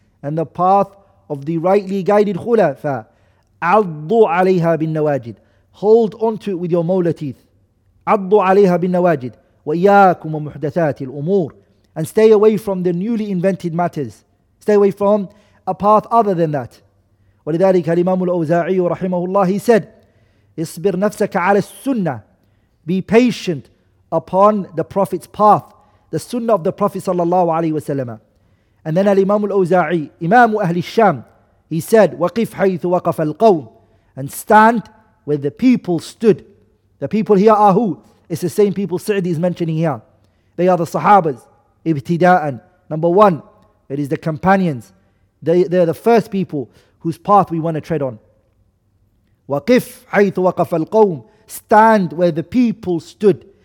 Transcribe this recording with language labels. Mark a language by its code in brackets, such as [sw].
[en] And the path of the rightly guided Khulafa. [ar] Addu alayha bin nawajid. [en] Hold on to it with your molar teeth. [ar] Addu alayha bin nawajid. Wa iyaakum wa muhdathati al-umur. [en] And stay away from the newly invented matters. Stay away from a path other than that. [ar] ولذلك الإمام الأوزاعي رحمه الله [en] he said [ar] اصبر نفسك على السنة. [en] Be patient upon the Prophet's path, the sunnah of the Prophet صلى الله عليه وسلم. And then [ar] الإمام الأوزاعي إمام أهل الشام [en] he said [ar] وقف حيث وقف القوم. [en] And stand where the people stood. The people here are who? It's the same people Sa'di is mentioning here. They are the Sahabas. ابتداء. Number one, it is the companions. They're the first people whose path we want to tread on. [ar] وَقِفْ حَيْثُ وَقَفَ الْقَوْمِ. [en] Stand where the people stood.